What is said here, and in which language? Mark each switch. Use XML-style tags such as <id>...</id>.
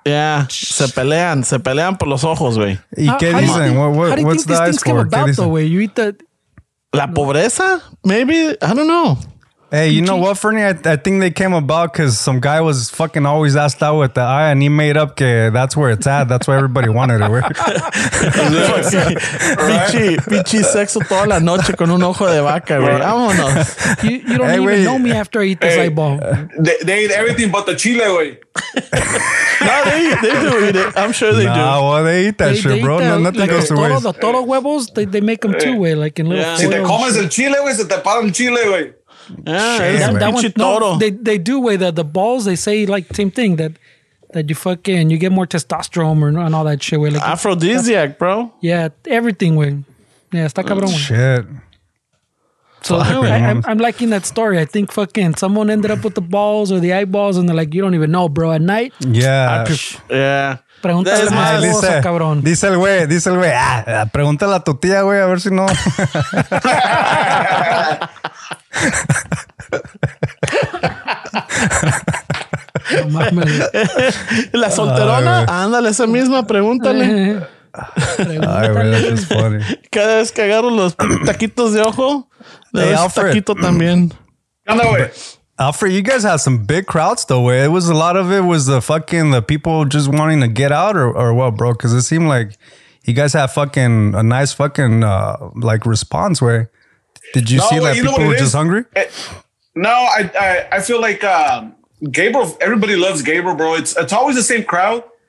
<en>Yeah,</en> <es>se pelean por los ojos, güey. ¿Y qué dicen?</es> <en>What's the eyes for? How do you think these things came about, though, güey?</en> <es>La pobreza?</es> <en>Maybe? I don't know. Hey, you know what, Fernie? I think they came about because some guy was fucking always asked out with the eye and he made up</en> <es>que</es> <en>that's where it's at. That's why everybody wanted it.</en> <es>Pichi sexo toda la noche con un ojo de vaca, güey. Vámonos.</es> <en>You don't even know me after I eat this eyeball. They eat everything but the chile, güey. No, they do eat it. I'm sure they do. Nah, well, they eat that shit, bro. Nothing goes to waste. The toro huevos, they make them too, güey. Like in little foils.</en> <es>Si te comes el chile, güey, se te para el chile, güey.</es> <en>They do weigh the balls. They say like same thing that you fucking you get more testosterone or and all that shit. Way like aphrodisiac, bro. Yeah, everything way. Yeah,</en> <es>está cabrón.</es> <en>Shit. So I'm liking that story. I think fucking someone ended up with the balls or the eyeballs, and they're like, you don't even know, bro. At night. Yeah.</en> <es>Pregúntale al güey, dice el güey. Pregúntale a tu tía, güey, a ver si no. La solterona, ándale esa misma, pregúntale. Ay, güey,</es> <en>that's just funny.</en> <es>Cada vez que agarro los taquitos de ojo, le doy un taquito también. Anda, güey.</es> <en>Alfred, you guys had some big crowds though, way. A lot of it was the fucking the people just wanting to get out or what, bro? Because it seemed like you guys had fucking a nice fucking like response, way. Did you see that people were just hungry? I feel like Gabriel, everybody loves Gabriel, bro. It's always the same crowd.</en>